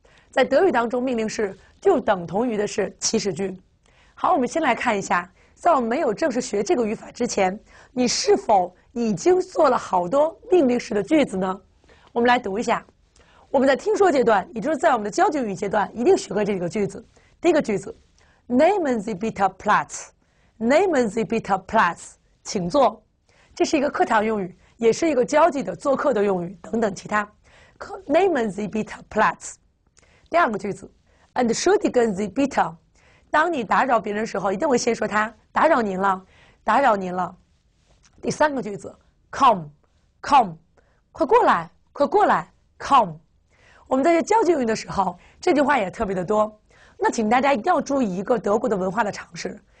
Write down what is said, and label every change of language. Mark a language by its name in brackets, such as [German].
[Chinese] 在德语当中，命令式就等同于的是祈使句。好，我们先来看一下，在我们没有正式学这个语法之前，你是否已经做了好多命令式的句子呢？我们来读一下。我们在听说阶段，也就是在我们的交际语阶段，一定学过这个句子。第一个句子， [German] Nehmen Sie bitte Platz。 Nehmen Sie bitte Platz， [Chinese] 请坐。这是一个课堂用语，也是一个交际的做客的用语，等等其他。 [German] Nehmen Sie bitte Platz。 [Chinese] 第二个句子， [German] Entschuldigen Sie bitte。 [Chinese] 当你打扰别人的时候，一定会先说他打扰您了，打扰您了。第三个句子， [German] Come，Come， [Chinese] 快过来，快过来， [German] Come。 [Chinese] 我们在学交际用语的时候，这句话也特别的多。那请大家一定要注意一个德国的文化的常识。